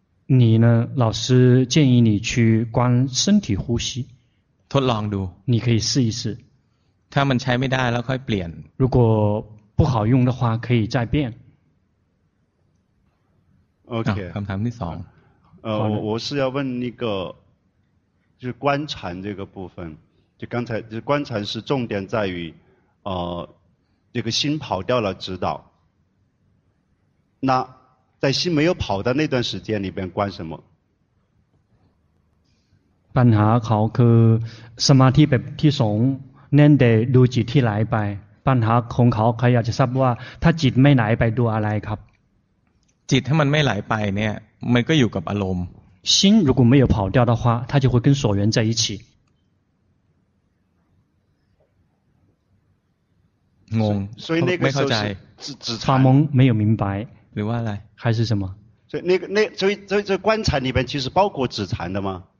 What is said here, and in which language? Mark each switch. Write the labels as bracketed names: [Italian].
[Chinese] 你呢老师建议你去观身体呼吸 [Thai] ทดลองดู [Chinese] 你可以试一试 [Thai] ถ้ามันใช้ไม่ได้แล้วค่อยเปลี่ยน [Chinese] 如果不好用的话可以再变 [English] OK [Thai] คำถามที่สอง [Chinese] 我是要问那个就是观禅这个部分就刚才就是观禅是重点在于这个心跑掉了指导那在心没有跑的那段时间里边观什么 [Thai] ปัญหาเขาคือสมาธิแบบที่สองเน้นแต่ดูจิตที่ไหลไปปัญหาของเขาใครอยากจะทราบว่าถ้าจิตไม่ไหลไปดูอะไรครับ จิตถ้ามันไม่ไหลไปเนี่ยมันก็อยู่กับอารมณ์ [Chinese] 心如果没有跑掉的话它就会跟所缘在一起 [Thai] งง [Chinese] 所以那个时候是发懵没有明白 [Thai] หรือว่าอะไร [Chinese] 还是什么所以那个那所以观禅里面其实包括止禅的吗